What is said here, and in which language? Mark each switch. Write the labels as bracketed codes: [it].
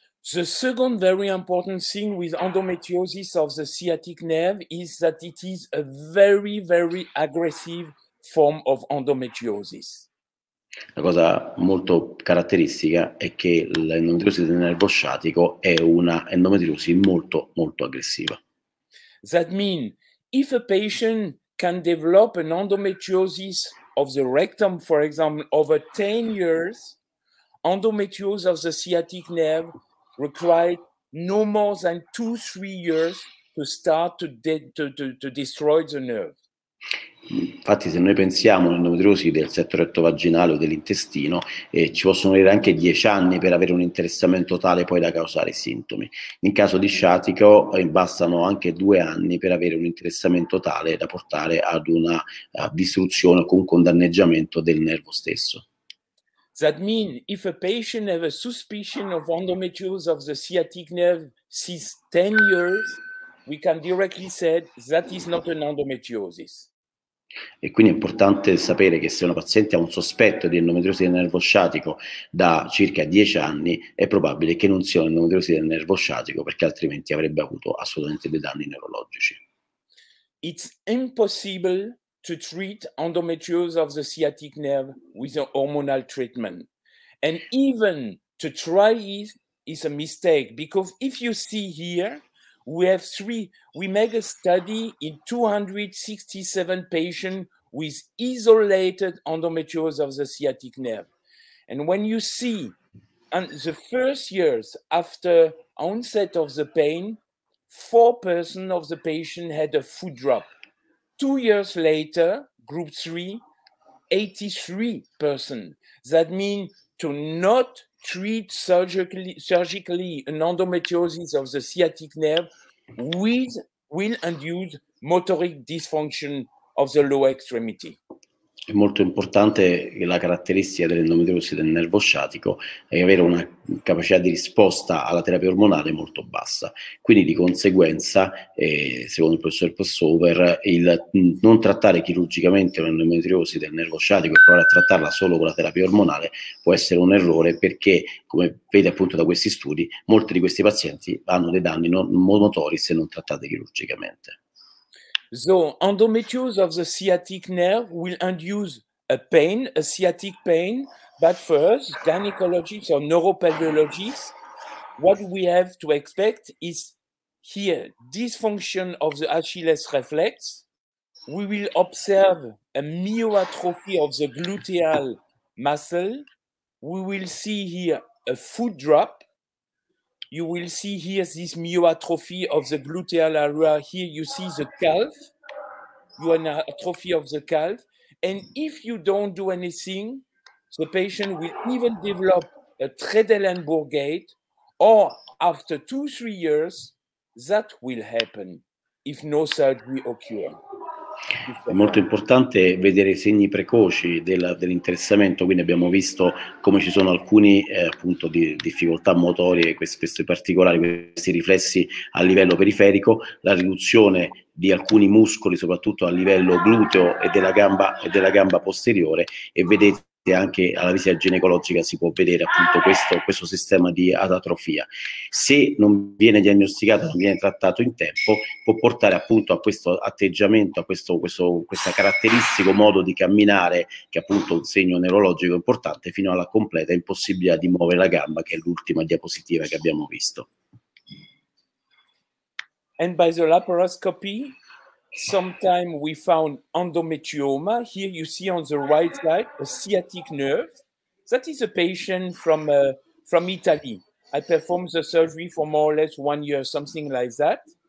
[en] The second very important thing with endometriosis of the sciatic nerve is that it is a very, very aggressive form of endometriosis. [it] La cosa molto caratteristica è che l'endometriosi del nervo sciatico è una endometriosi molto molto aggressiva. [en] That means if a patient can develop an endometriosis of the rectum, for example, over 10 years, endometriosis of the sciatic nerve requires no more than 2-3 years to start to, destroy the nerve. [it] Infatti, se noi pensiamo all'endometriosi del setto retto-vaginale o dell'intestino, ci possono avere anche 10 anni per avere un interessamento tale poi da causare sintomi. In caso di sciatico, bastano anche 2 anni per avere un interessamento tale da portare ad una distruzione o comunque un danneggiamento del nervo stesso. [en] That means if a patient has a suspicion of endometriosis of the sciatic nerve since 10 years, we can directly say that is not an endometriosis. [it] E quindi è importante sapere che se un paziente ha un sospetto di endometriosi del nervo sciatico da circa 10 anni, è probabile che non sia un'endometriosi del nervo sciatico, perché altrimenti avrebbe avuto assolutamente dei danni neurologici. [en] It's impossible to treat endometriosis of the sciatic nerve with a hormonal treatment. And even to try it is a mistake, because if you see here, we make a study in 267 patients with isolated endometriosis of the sciatic nerve. And when you see the first years after onset of the pain, 4% of the patient had a foot drop. 2 years later, group 3, 83%. That means to not treat surgically an endometriosis of the sciatic nerve will induce motoric dysfunction of the lower extremity. [it] È molto importante la caratteristica dell'endometriosi del nervo sciatico è avere una capacità di risposta alla terapia ormonale molto bassa. Quindi di conseguenza, secondo il professor Passover, il non trattare chirurgicamente l'endometriosi del nervo sciatico e provare a trattarla solo con la terapia ormonale può essere un errore, perché, come vede appunto da questi studi, molti di questi pazienti hanno dei danni motori se non trattati chirurgicamente. [en] So, endometriosis of the sciatic nerve will induce a pain, a sciatic pain, but first, gynecologists or neuropathologists, what we have to expect is here, dysfunction of the Achilles reflex. We will observe a myoatrophy of the gluteal muscle. We will see here a foot drop. You will see here this myoatrophy of the gluteal area. Here you see the calf. You have an atrophy of the calf. And if you don't do anything, the patient will even develop a Trendelenburg gait. Or after 2-3 years, that will happen if no surgery occurs. [it] È molto importante vedere i segni precoci dell'interessamento, quindi abbiamo visto come ci sono alcuni appunto di difficoltà motorie, questi particolari, questi riflessi a livello periferico, la riduzione di alcuni muscoli, soprattutto a livello gluteo e della gamba posteriore, e vedete anche alla visita ginecologica si può vedere appunto questo sistema di atrofia. Se non viene diagnosticato, non viene trattato in tempo, può portare appunto a questo atteggiamento, a questo caratteristico modo di camminare, che è appunto un segno neurologico importante, fino alla completa impossibilità di muovere la gamba, che è l'ultima diapositiva che abbiamo visto. [en] And by the laparoscopy, sometimes we found endometrioma. Here you see on the right side a sciatic nerve. That is a patient from Italy. I performed the surgery for more or less 1 year, something like that.